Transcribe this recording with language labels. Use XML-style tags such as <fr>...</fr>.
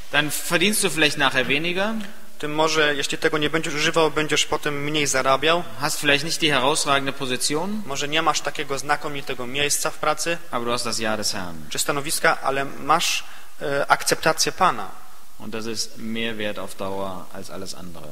<de>Dann verdienst du vielleicht nachher weniger.</de> <pl>Ty może, jeśli tego nie będziesz używał, będziesz potem mniej zarabiał.</pl> <de>Hast vielleicht nicht die herausragende Position.</de> <pl>Może nie masz takiego znakomitego miejsca w pracy.</pl> <de>Aber du hast das Jahr des Herrn.</de> <pl>Czy stanowiska, ale masz akceptację Pana.</pl> <de>Und das ist mehr wert auf Dauer als alles andere.</de>